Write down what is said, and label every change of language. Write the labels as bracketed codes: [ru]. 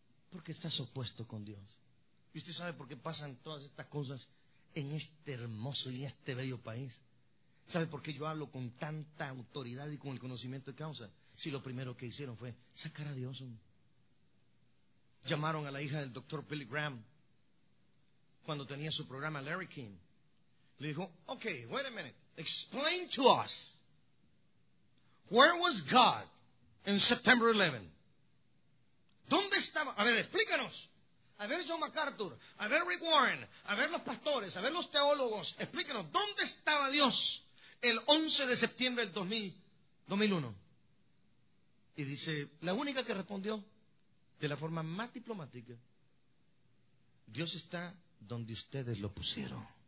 [es] Porque estás opuesto con Dios. ¿Y usted sabe por qué pasan todas estas cosas en este hermoso y este bello país? ¿Sabe por qué yo hablo con tanta autoridad y con el conocimiento de causa? Si lo primero que hicieron fue sacar a Dios, hombre. Llamaron a la hija del doctor Billy Graham cuando tenía su programa Larry King. Le dijo, [en] ok, wait a minute, explain to us, where was God in September 11? [es] ¿Dónde estaba? A ver, explícanos. A ver, John MacArthur, a ver, Rick Warren, a ver, los pastores, a ver, los teólogos, explícanos, ¿dónde estaba Dios el 11 de septiembre del 2001? Y dice, la única que respondió de la forma más diplomática, Dios está donde ustedes lo pusieron.